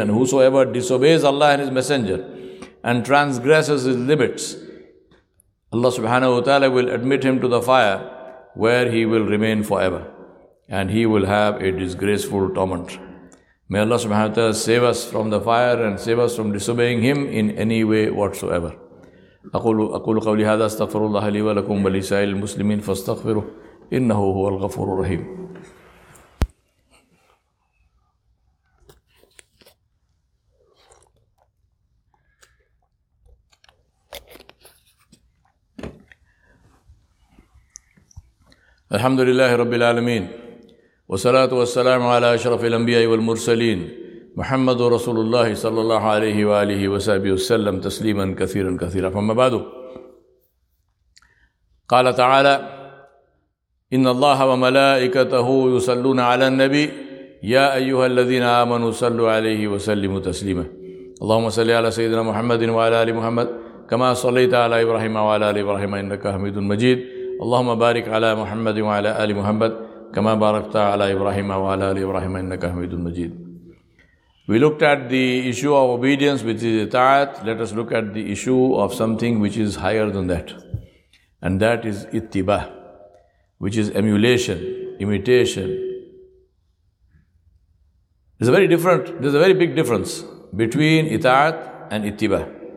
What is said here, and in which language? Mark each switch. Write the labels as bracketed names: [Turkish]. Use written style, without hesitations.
[English] And whosoever disobeys Allah and His Messenger and transgresses His limits, Allah subhanahu wa ta'ala will admit him to the fire where he will remain forever, and he will have a disgraceful torment. May Allah subhanahu wa ta'ala save us from the fire and save us from disobeying Him in any way whatsoever. [Arabic] أقول قولي هذا استغفر الله لي ولكم ولسائر المسلمين فاستغفروه إنه هو الغفور الرحيم. الحمد لله رب العالمين والصلاة والسلام على أشرف الأنبياء والمرسلين محمد رسول الله صلى الله عليه وآله وصحبه وسلم تسليما كثيرا كثيرا. فما بعد, قال تعالى إن الله وملائكته يصلون على النبي يا أيها الذين آمنوا صلوا عليه وسلموا تسليما. اللهم صل على سيدنا محمد وعلى آل محمد كما صليت على إبراهيم وعلى آل إبراهيم إنك حميد مجيد. اللهم بارك على محمد وعلى آل محمد كما باركت على إبراهيم وعلى آل إبراهيم إنك حميد مجيد. [English] We looked at the issue of obedience, which is ita'at. Let us look at the issue of something which is higher than that, and that is ittiba, which is emulation, imitation. There's a very big difference between ita'at and ittiba.